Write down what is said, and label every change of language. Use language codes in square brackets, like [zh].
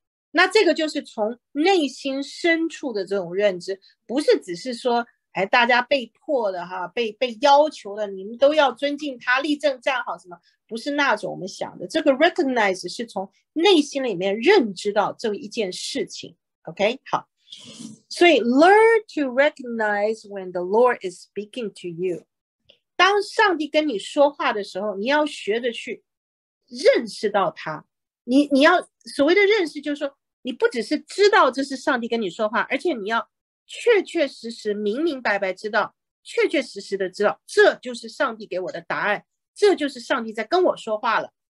[zh] 那这个就是从内心深处的这种认知，不是只是说，哎，大家被迫的哈，被要求的，你们都要尊敬他，立正站好什么，不是那种我们想的。这个 recognize 是从内心里面认知到这一件事情。 OK， 好。 [en] 所以 learn to recognize when the Lord is speaking to you。 [zh] 当上帝跟你说话的时候，你要学着去认识到他。你要所谓的认识，就是说你不只是知道这是上帝跟你说话，而且你要确确实实明明白白知道，确确实实的知道这就是上帝给我的答案，这就是上帝在跟我说话了。